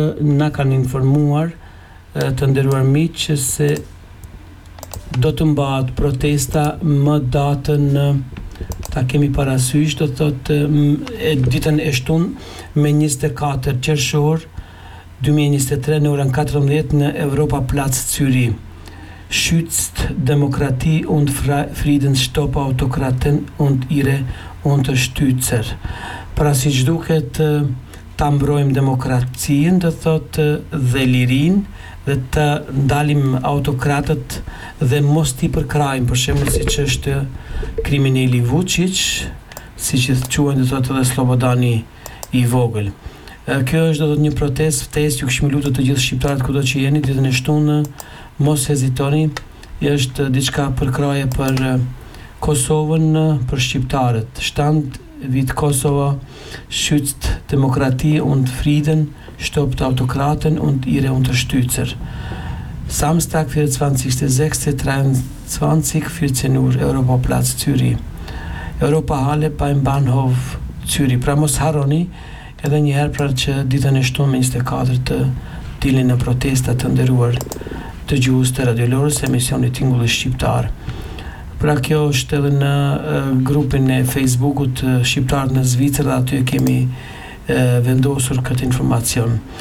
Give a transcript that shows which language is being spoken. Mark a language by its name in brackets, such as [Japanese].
[Albanian] Na kanë informuar të nderuar miq se do të mbahet protesta më datën, ta kemi parasysh, do thotë ditën e shtun me 24 qershor 2023 në orën 14 në Europa Plac Zyri. [German] Schützt Demokratie und Frieden, stop Autokraten und ihre Unterstützer. [Albanian] Pra si që duket, ta mbrojmë demokracien, dhe thot, dhe lirin, dhe të ndalim autokratët dhe mos t'i përkrajmë, për shembull si që është kriminali Vučić, si që të quajnë, dhe thot, dhe Slobodani i Vogël. Kjo është, dhe thot, një protest, ftesë, ju këshmi lutë të gjithë shqiptarët kudo që jeni, ditën e shtunë, mos hezitoni, është diçka përkraje për Kosovën, për shqiptarët. [English] Shtand vit Kosova, [German] schützt Demokratie und Frieden, stoppt Autokraten und ihre Unterstützer. Samstag, 24.06.23, 14 Uhr, Europaplatz Zürich. Europahalle beim Bahnhof Zürich. [Albanian] Pra mos haroni, edhe njëherë pra që ditën e shtunë 24 të dilin në protestat të ndëruar të gjuhës të radiolorës, emisioni Tingulli Shqiptar. Pra kjo është edhe në grupin e Facebookut Shqiptar në Zvicër, dhe aty kemi vendosur këtë informacion.